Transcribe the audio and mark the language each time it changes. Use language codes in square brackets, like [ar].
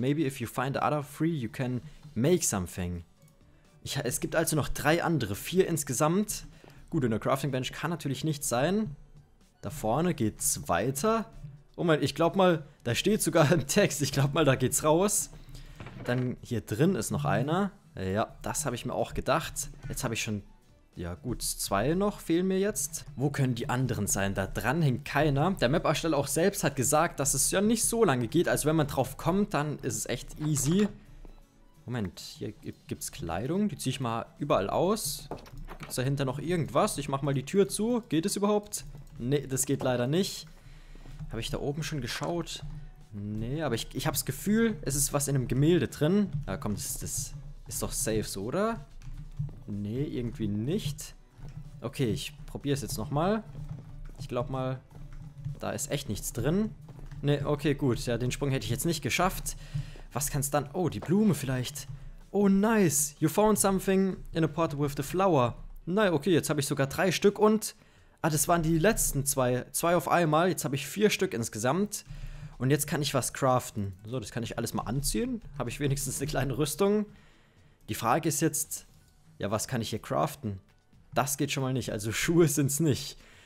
[en] Maybe if you find the other three, you can make something. [de] Es gibt also noch drei andere. Vier insgesamt. Gut, in der Crafting Bench kann natürlich nichts sein. Da vorne geht's weiter. Oh mein, ich glaube mal, da steht sogar im Text. Ich glaube mal, da geht's raus. Dann hier drin ist noch einer. Ja, das habe ich mir auch gedacht. Jetzt habe ich schon... Ja gut, zwei noch fehlen mir jetzt. Wo können die anderen sein? Da dran hängt keiner. Der Map-Ersteller auch selbst hat gesagt, dass es ja nicht so lange geht. Also wenn man drauf kommt, dann ist es echt easy. Moment, hier gibt es Kleidung. Die ziehe ich mal überall aus. Gibt es dahinter noch irgendwas? Ich mache mal die Tür zu. Geht es überhaupt? Nee, das geht leider nicht. Habe ich da oben schon geschaut? Nee, aber ich habe das Gefühl, es ist was in einem Gemälde drin. Ja komm, das ist doch safe so, oder? Nee, irgendwie nicht. Okay, ich probiere es jetzt nochmal. Ich glaube mal, da ist echt nichts drin. Nee, okay, gut. Ja, den Sprung hätte ich jetzt nicht geschafft. Was kann es dann... Oh, die Blume vielleicht. Oh, nice. [en] You found something in a pot with the flower. [de] Nein, okay, jetzt habe ich sogar drei Stück und... Ah, das waren die letzten zwei. Zwei auf einmal. Jetzt habe ich vier Stück insgesamt. Und jetzt kann ich was craften. So, das kann ich alles mal anziehen. Habe ich wenigstens eine kleine Rüstung. Die Frage ist jetzt... Ja, was kann ich hier craften? Das geht schon mal nicht. Also Schuhe sind es nicht.